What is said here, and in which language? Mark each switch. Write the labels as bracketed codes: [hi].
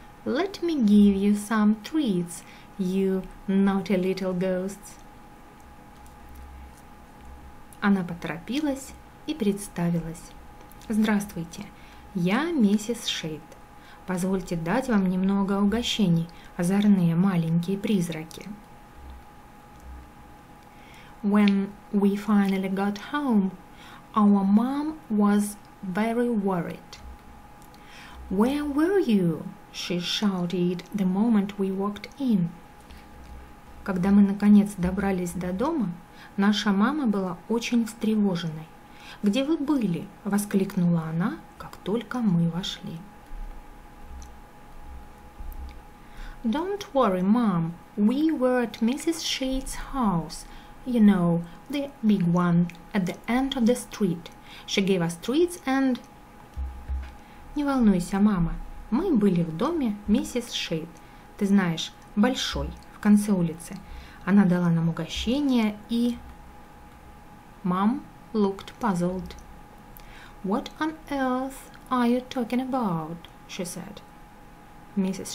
[en] Let me give you some treats, you naughty little ghosts. [ru] Она поторопилась и представилась. Здравствуйте, я миссис Шейд. Позвольте дать вам немного угощений, озорные маленькие призраки. [en] When we finally got home, our mom was very worried. Where were you? She shouted the moment we walked in. [ru] Когда мы наконец добрались до дома, наша мама была очень встревоженной. Где вы были? Воскликнула она, как только мы вошли. [en] Don't worry, Mom. We were at Mrs. Shade's house. You know, the big one at the end of the street. She gave us treats and... [ru] Не волнуйся, мама. Мы были в доме миссис Шейд. Ты знаешь, большой, в конце улицы. Она дала нам угощение и... [en] Mom looked puzzled. "What on earth are you talking about?" she said. "Mrs.